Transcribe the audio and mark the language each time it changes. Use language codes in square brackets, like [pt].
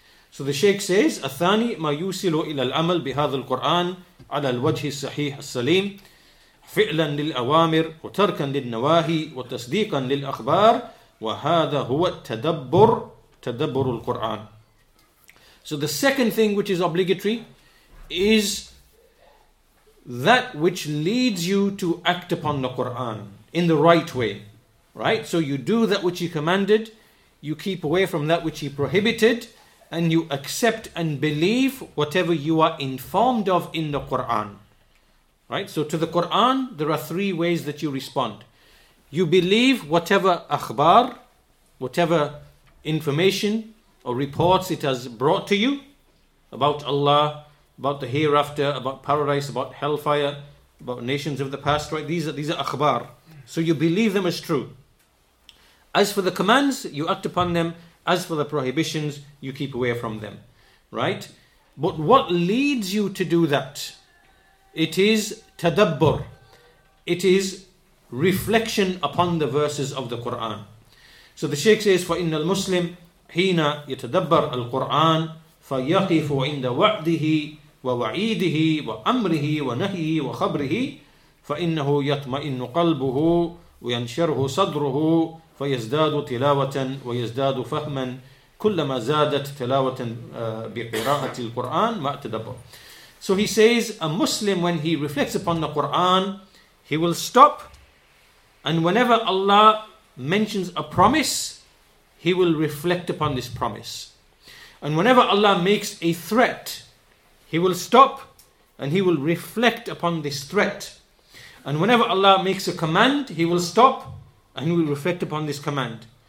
[en] So the Shaykh says, [ar] الثاني ما يوصل إلى العمل بهذا القرآن على الوجه الصحيح السليم فعلا للأوامر وتركا للنواهي وتصديقا للأخبار وهذا هو التدبر تدبر القرآن. [en] So the second thing which is obligatory is that which leads you to act upon the Quran in the right way. Right? So you do that which he commanded, you keep away from that which he prohibited, and you accept and believe whatever you are informed of in the Quran. Right? So to the Quran, there are three ways that you respond. You believe whatever akhbar, whatever information or reports it has brought to you about Allah, about the hereafter, about paradise, about hellfire, about nations of the past. Right? These are akhbar. So you believe them as true. As for the commands, you act upon them. As for the prohibitions, you keep away from them, right? But what leads you to do that? It is tadabbur. It is reflection upon the verses of the Quran. So the Shaykh says, [ar] فَإِنَّ الْمُسْلِمْ حِينَ يَتَدَبَّرَ الْقُرْآنَ فَيَقِفُ عِنْدَ وَعْدِهِ وَوَعِيدِهِ وَأَمْرِهِ وَنَهِيهِ وَخَبْرِهِ فَإِنَّهُ يَطْمَئِنُّ قَلْبُهُ وَيَنْشَرْهُ صَدْرُهُ فيزداد تلاوة ويزداد فهما كلما زادت تلاوة بقراءة القرآن مع تدبر. [en] So he says, a Muslim, when he reflects upon the Quran, he will stop, and whenever Allah mentions a promise, he will reflect upon this promise, and whenever Allah makes a threat, he will stop and he will reflect upon this threat, and whenever Allah makes a command, he will stop and we reflect upon this command.